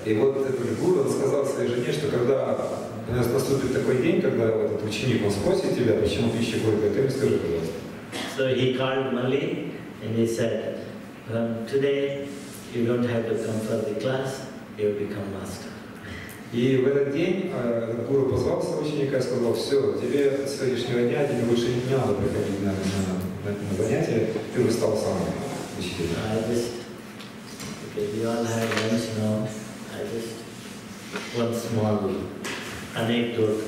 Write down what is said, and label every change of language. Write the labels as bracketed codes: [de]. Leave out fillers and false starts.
[ru] И вот этот гуру сказал своей жене, что когда у нас наступит такой день, когда этот ученик он спросит тебя, почему пища горькая, ты ему скажи, пожалуйста. [en] So he called Mali and he said, today you don't have to come for the class, you become master. [ru] И в этот день гуру позвал своего ученика и сказал, все, тебе с сегодняшнего дня тебе больше не надо приходить на занятия, ты уже стал сам учителем. [en] Okay, we all have lunch now. I just one small anecdote.